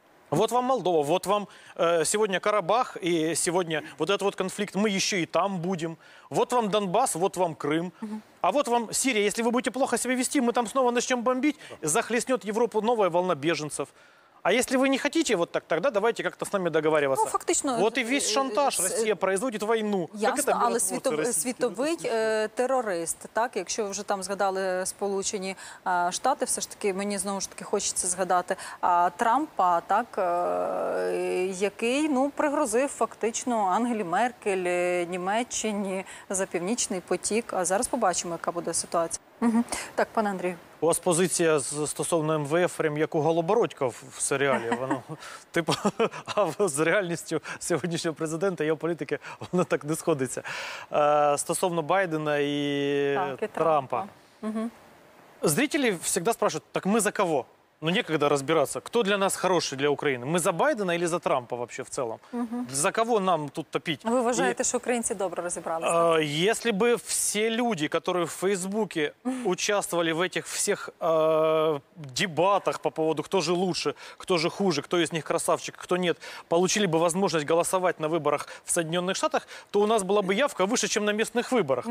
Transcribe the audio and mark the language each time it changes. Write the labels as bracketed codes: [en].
[ru] Вот вам Молдова, вот вам сегодня Карабах, и сегодня вот этот вот конфликт, мы еще и там будем. Вот вам Донбасс, вот вам Крым. А вот вам Сирия, если вы будете плохо себя вести, мы там снова начнем бомбить, захлестнет Европу новая волна беженцев. А если вы не хотите вот так, тогда давайте как-то с нами договариваться. [uk] Ну, фактично. [ru] Вот и весь шантаж. [uk] Росія производить війну. Ясно, але світовий терорист, так? Якщо ви вже там згадали Сполучені Штати, все ж таки, мені знову ж таки хочеться згадати Трампа, так? Який, ну, пригрозив фактично Ангелі Меркель, Німеччині за Північний потік. А зараз побачимо, яка буде ситуація. Так, пане Андрію. У вас позиція стосовно МВФ, прям як у Голобородька в серіалі. Воно, типу, а з реальністю сьогоднішнього президента, його політики, воно так не сходиться. Стосовно Байдена і, так, і Трампа. Зрителі завжди спрашують, так ми за кого? [ru] Ну, некогда разбираться, кто для нас хороший для Украины. Мы за Байдена или за Трампа вообще в целом? За кого нам тут топить? Вы считаете, что украинцы добро разобрались? Если бы все люди, которые в Фейсбуке участвовали в этих всех дебатах по поводу, кто же лучше, кто же хуже, кто из них красавчик, кто нет, получили бы возможность голосовать на выборах в Соединенных Штатах, то у нас была бы явка выше, чем на местных выборах.